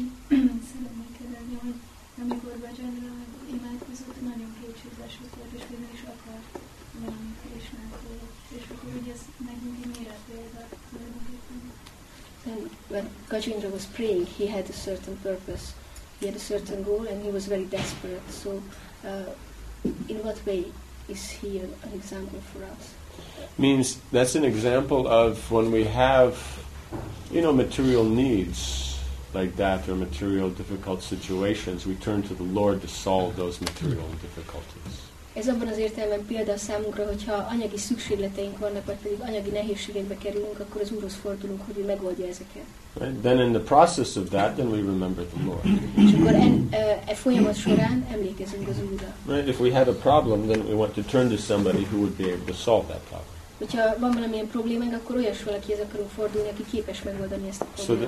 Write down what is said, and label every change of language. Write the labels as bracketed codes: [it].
[hu] Amikor Bajanra imádkozott, nagyon kétségbeesett volt, és végül is akart valami Krisnától. És akkor ugye ez nekünk egy mire példa tulajdonképpen. [en] Then when Gajendra was praying, he had a certain purpose, he had a certain goal, and he was very desperate. So, in what way is he an example for us? Means that's an example of when we have, you know, material needs like that, or material difficult situations, we turn to the Lord to solve those material difficulties. [hu] Ez abban az értelemben példa számunkra, hogyha anyagi szükségleteink vannak, vagy pedig anyagi nehézségekbe kerülünk, akkor az Úrhoz fordulunk, hogy ő megoldja ezeket. [en] Right? Then in the process of that, then we remember the Lord. [hu] És akkor e folyamat során emlékezünk az Úrra. [en] Right? If we had a problem, then we want to turn to somebody who would be able to solve that problem. [hu] Hogyha van valamilyen problémánk, akkor olyas valakihez akarunk fordulni, aki képes megoldani ezt a problémát.